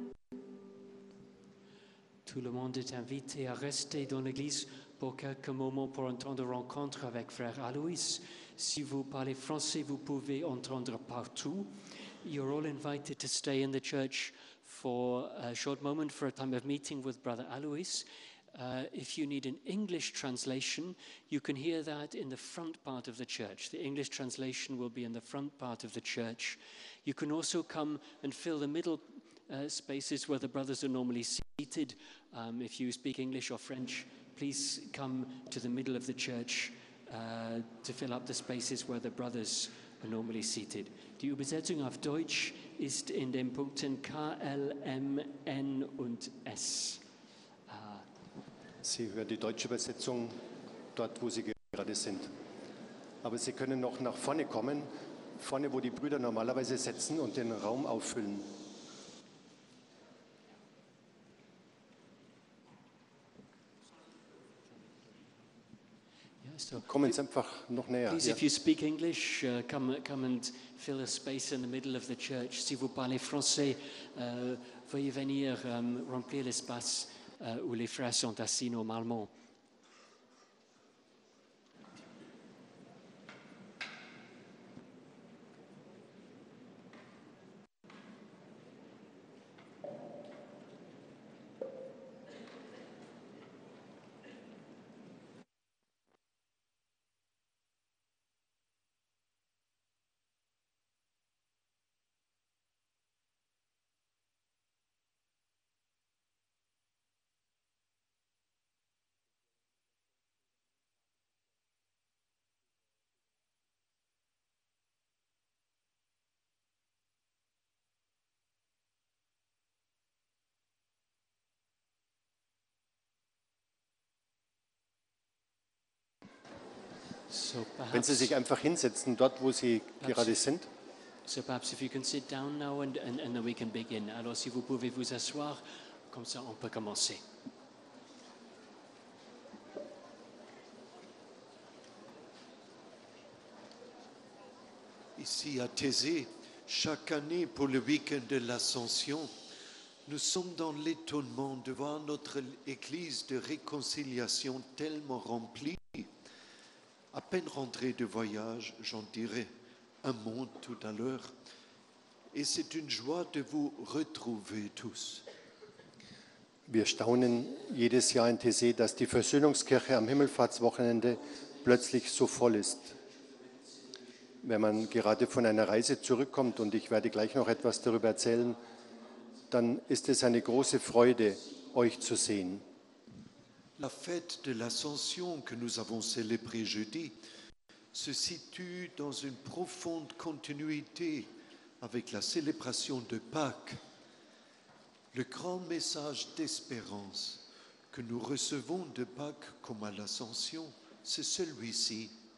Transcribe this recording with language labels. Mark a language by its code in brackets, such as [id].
[fr] Tout le monde est invité à rester dans l'église pour quelques moments pour un temps de rencontre avec frère Alois. Si vous parlez français, vous pouvez entendre partout. [en] You're all invited to stay in the church for a short moment for a time of meeting with brother Alois. If you need an English translation, you can hear that in the front part of the church. The English translation will be in the front part of the church. You can also come and fill the middle spaces where the brothers are normally seated. If you speak English or French, please come to the middle of the church to fill up the spaces where the brothers are normally seated. [de] Die Übersetzung auf Deutsch ist in den Punkten K, L, M, N und S. Sie hören die deutsche Übersetzung dort, wo Sie gerade sind. Aber Sie können noch nach vorne kommen, vorne, wo die Brüder normalerweise sitzen und den Raum auffüllen. Kommen Sie einfach noch näher. [en] Please, if you speak English, come and fill a space in the middle of the church. [fr] Si vous parlez français, veuillez venir remplir l'espace où les frères sont assis normalement. [en] So perhaps, [de] wenn Sie sich einfach hinsetzen, dort, wo Sie gerade sind. [en] So perhaps if you can sit down now and then we can begin. [fr] Alors, si vous pouvez vous asseoir, comme ça on peut commencer. Ici à Thésée, chaque année pour le week-end de l'Ascension, nous sommes dans l'étonnement de voir notre église de réconciliation tellement remplie. À peine rentré de voyage, j'en dirai un mot tout à l'heure. Et c'est une joie de vous retrouver tous. [de] Wir staunen jedes Jahr in Thésée, dass die Versöhnungskirche am Himmelfahrtswochenende plötzlich so voll ist. Wenn man gerade von einer Reise zurückkommt, und ich werde gleich noch etwas darüber erzählen, dann ist es eine große Freude, euch zu sehen. [fr] La fête de l'Ascension que nous avons célébrée jeudi se situe dans une profonde continuité avec la célébration de Pâques. Le grand message d'espérance que nous recevons de Pâques comme à l'Ascension, c'est celui-ci.